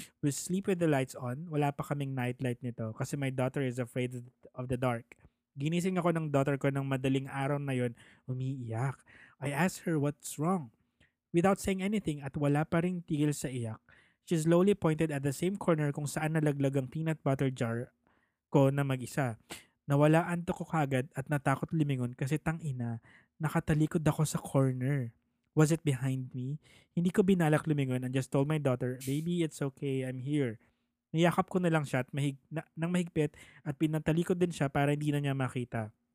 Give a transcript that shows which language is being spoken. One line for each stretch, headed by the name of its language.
English: We sleep with the lights on,
Filipino: wala pa kaming nightlight nito
English: kasi my daughter is afraid of the dark.
Filipino: Ginising ako ng daughter ko ng madaling araw na yon, umiiyak.
English: I asked her what's wrong. Without saying anything
Filipino: at wala pa rin tigil sa iyak,
English: she slowly pointed at the same corner
Filipino: kung saan nalaglag ang peanut butter jar ko na mag-isa. Nawala ang tuko kagad at natakot lumingon kasi tangina, nakatalikod ako sa corner.
English: Was it behind me?
Filipino: Hindi ko binalak lumingon
English: and just told my daughter, baby, it's okay, I'm here.
Filipino: Niyakap ko na lang siya at mahigpit at pinatalikod din siya para hindi na niya makita.